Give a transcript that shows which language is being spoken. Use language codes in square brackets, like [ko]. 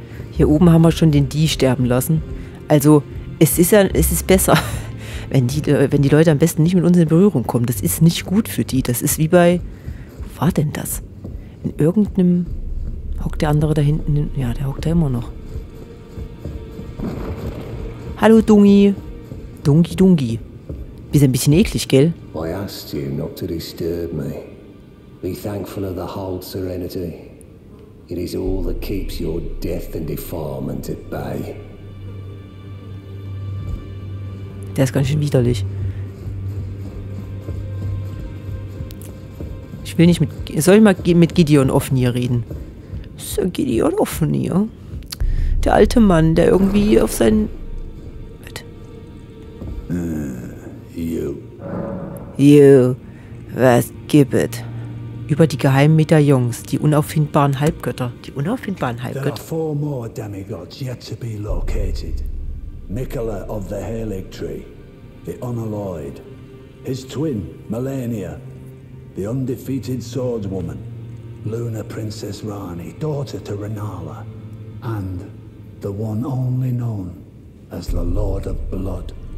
[de] Hier oben haben wir schon den Die sterben lassen. Also, es ist besser, wenn die Leute am besten nicht mit uns in Berührung kommen. Das ist nicht gut für die. Das ist wie bei. Wo war denn das? In irgendeinem. Hockt der andere da hinten? Ja, der hockt da immer noch. Hallo, Dungi. Dungi, Dungi. Bist ein bisschen eklig, gell? [en] I asked you not to disturb me. Be thankful of the whole serenity. It is all that keeps your death and defilement at bay. [de] Der ist ganz schön widerlich. Ich will nicht mit. Soll ich mal mit Gideon offen hier reden? Sir Gideon Offenier. Der alte Mann, der irgendwie auf sein. [en] You. [de] Was gibt es? Über die geheimen Medaillons, die unauffindbaren Halbgötter. Die unauffindbaren Halbgötter. [en] There are four more demigods yet to be located. Mikola of the Helig Tree. The Unalloyed. His twin, Melania. The undefeated swordswoman. Luna Princess Rani, daughter to Renala, and the one only known as the Lord of Blood.